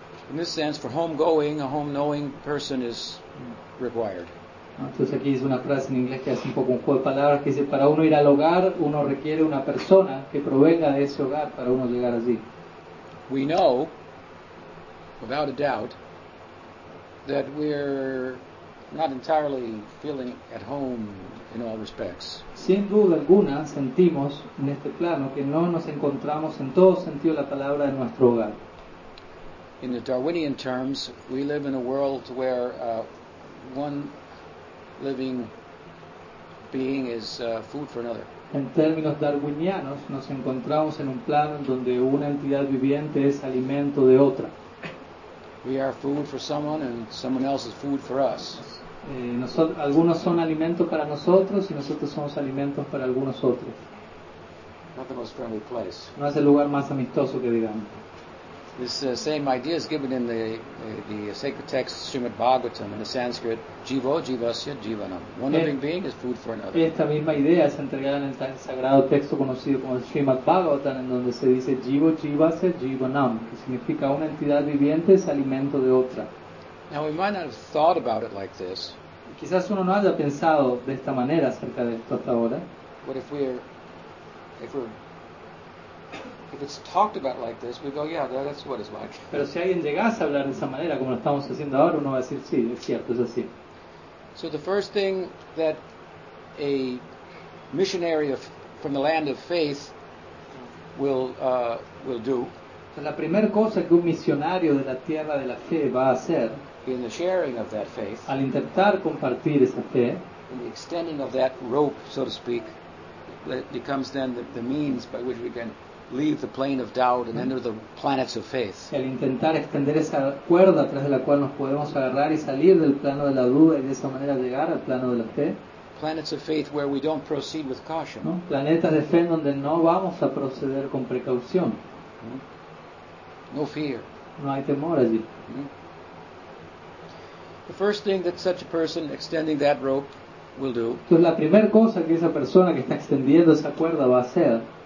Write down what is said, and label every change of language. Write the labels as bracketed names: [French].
[English] In this sense, for home going, a home knowing person is required. [Spanish] Entonces aquí es una frase en inglés que hace un poco un juego de palabras que dice, para uno ir al hogar, uno requiere una persona que provenga de ese hogar para uno llegar allí. [English] We know, without a doubt, that we're not entirely feeling at home in all respects. [Spanish] Sin duda alguna, sentimos en este plano que no nos encontramos en todo sentido la palabra en nuestro hogar. [English] In the Darwinian terms, we live in a world where one living being is food for another. [Spanish] En términos darwinianos, nos encontramos en un plano donde una entidad viviente es alimento de otra. [English] We are food for someone, and someone else is food for us. [Spanish] Algunos son alimento para nosotros y nosotros somos alimentos para algunos otros. [English] Not the most friendly place. [Spanish] No es el lugar más amistoso que digamos. [English] This same idea is given in the sacred text Srimad Bhagavatam in the Sanskrit [Sanskrit] jivo jivasya jivanam. [English] One living being is food for another. [Spanish] Esta misma idea es entregada en el sagrado texto conocido como Srimad Bhagavatam, en donde se dice [Sanskrit] jivo jivasya jivanam, [Spanish] que significa una entidad viviente es alimento de otra. [English] Now we might not have thought about it like this. [Spanish] Quizás uno no haya pensado de esta manera acerca de esto hasta ahora. [English] But if it's talked about like this, we go, yeah, that's what it's like. [Spanish] Pero si alguien llegase a hablar de esa manera, como lo estamos haciendo ahora, uno va a decir, sí, es cierto, es así. [English] So the first thing that a missionary from the land of faith will do. [Spanish] Entonces, la primera cosa que un misionario de la tierra de la fe va a hacer. [English] In the sharing of that faith. [Spanish] Al intentar compartir esa fe. [English] In the extending of that rope, so to speak, that becomes then the means by which we can leave the plane of doubt and enter the planets of faith. [Spanish] Al intentar extender esa cuerda atrás de la cual nos podemos agarrar y salir del plano de la duda y de esa manera llegar al plano de la fe. [English] Planets of faith where we don't proceed with caution. [Spanish] ¿No? Planetas de fe donde no vamos a proceder con precaución. [English] No fear. [Spanish] No hay temor allí. [English] The first thing that such a person extending that rope will do. [Spanish] Entonces la primera cosa que esa persona que está extendiendo esa cuerda va a hacer.